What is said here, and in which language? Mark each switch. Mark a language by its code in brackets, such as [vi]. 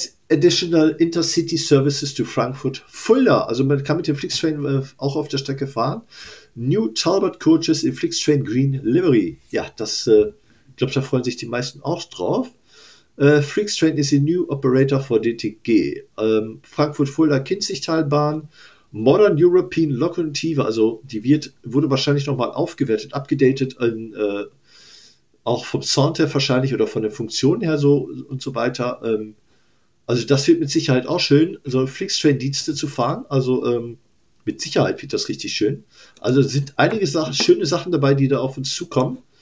[en] Additional Intercity Services to Frankfurt Fulda. [de] Also man kann mit dem Flixtrain auch auf der Strecke fahren. [en] New Talbot Coaches in Flixtrain Green Livery. [de] Ja, das glaube, da freuen sich die meisten auch drauf. [en] Flixtrain is a new operator for DTG. Frankfurt Fulda Kinzigtalbahn. Modern European Locomotive. [de] Also die wurde wahrscheinlich nochmal aufgewertet, upgedatet. Auch vom Sound her wahrscheinlich oder von den Funktionen her so und so weiter. Also das wird mit Sicherheit auch schön, so Flixtrain-Dienste zu fahren. Also mit Sicherheit wird das richtig schön. Also sind einige Sachen, schöne Sachen dabei, die da auf uns zukommen.